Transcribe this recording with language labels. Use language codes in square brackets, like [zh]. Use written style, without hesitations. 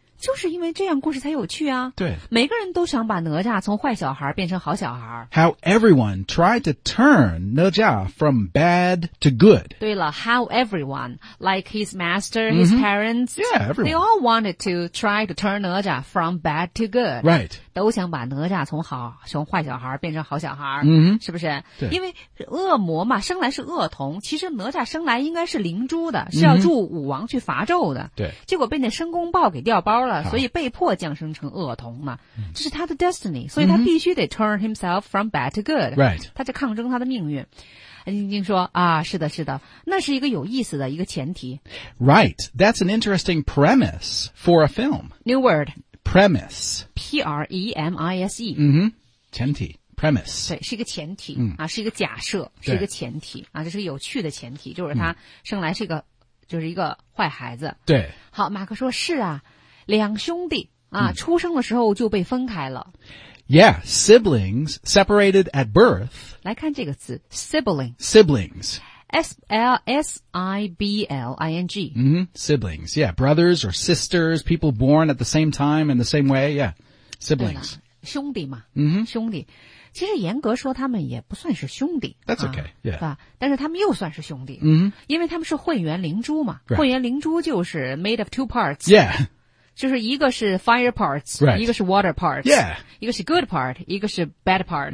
[zh] 就是因为这样故事才有趣啊。对。每个人都想把哪吒从坏小孩变成好小孩。 [en] How everyone tried to turn 哪吒 from bad to good. 对了 how everyone, like his master,、mm-hmm. his parents. Yeah, everyone. They all wanted to try to turn 哪吒 from bad to good. Right. [zh] 都想把哪吒从坏小孩变成好小孩、 mm-hmm. 是不是对因为恶魔嘛生来是恶童其实哪吒生来应该是灵珠的是要助武王去伐纣的对、mm-hmm. 结果被那申公豹给掉包了所以被迫降生成恶童嘛、 mm-hmm. 这是他的 destiny 所以他必须得 [en] turn himself from bad to good、 right. [zh] 他就抗争他的命运金金说啊是的是的那是一个有意思的一个前提 [en] Right that's an interesting premise for a film New word Premise. P-R-E-M-I-S-E. [zh] 嗯哼，前提 ,premise. 对是一个前提、嗯、啊是一个假设是一个前提啊这是有趣的前提就是他生来是一个、嗯、就是一个坏孩子。对。好马克说是啊两兄弟啊、嗯、出生的时候就被分开了。 [en] Yeah, siblings separated at birth. [zh] 来看这个词 ,sibling. [en] Siblings. S-I-B-L-I-N-G. Mm-hmm. Siblings, yeah. Brothers or sisters, people born at the same time in the same way, yeah. Siblings. [zh] 兄弟嘛，嗯哼，兄弟。其实严格说，他们也不算是兄弟。 [en] That's okay, yeah. [zh] 啊，但是他们又算是兄弟，嗯哼，因为他们是混元灵珠嘛。 [en] Right. [zh] 混元灵珠就是 [en] made of two parts. Yeah. [zh] 就是一个是 fire parts,、 [en] right. [zh] 一个是 water parts,、 [en] yeah. [zh] 一个是 good part, 一个是 bad part,、